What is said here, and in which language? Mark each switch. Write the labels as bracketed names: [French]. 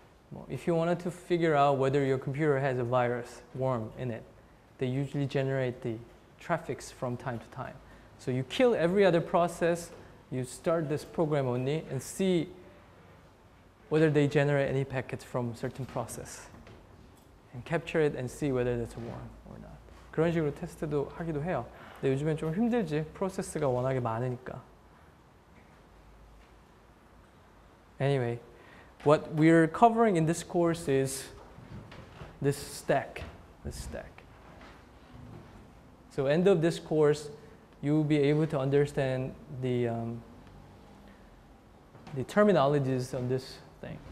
[English] 뭐, if you wanted to figure out whether your computer has a virus worm in it, they usually generate the traffics from time to time. So you kill every other process, you start this program only, and see whether they generate any packets from certain process. And capture it and see whether that's a worm or not. [Korean] 그런 식으로 테스트도 하기도 해요. 근데 요즘엔 좀 힘들지, 프로세스가 워낙에 많으니까. [English] Anyway, what we're covering in this course is this stack. So end of this course, you'll be able to understand the terminologies on this thing.